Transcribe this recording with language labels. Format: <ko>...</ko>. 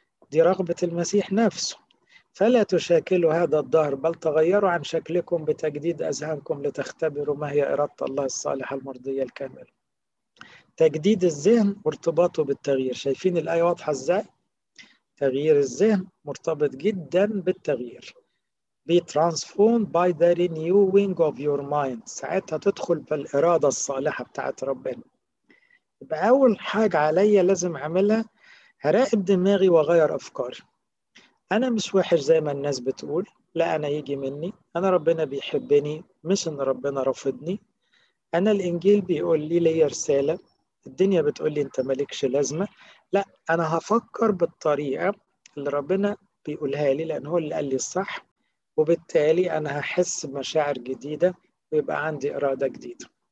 <ar>دي رغبة المسيح نفسه. فلا تشاكلوا هذا الدهر، بل تغيروا عن شكلكم بتجديد أذهانكم لتختبروا ما هي إرادة الله الصالحة المرضية الكاملة. تجديد الذهن وارتباطه بالتغيير. شايفين الآية واضحة إزاي؟ تغيير الذهن مرتبط جدا بالتغيير.</ar> <en>Be transformed by the renewing of your mind.</en> <ar>ساعتها تدخل بالإرادة الصالحة بتاعت ربنا. يبقى أول حاجة عليا لازم أعملها هراقب دماغي وأغير أفكاري. أنا مش وحش زي ما الناس بتقول، لا أنا يجي مني، أنا ربنا بيحبني مش إن ربنا رفضني، أنا الإنجيل بيقول لي ليا رسالة، الدنيا بتقول لي أنت مالكش لازمة، لا أنا هفكر بالطريقة اللي ربنا بيقولها لي لأن هو اللي قال لي الصح، وبالتالي أنا هحس بمشاعر جديدة ويبقى عندي إرادة جديدة.</ar>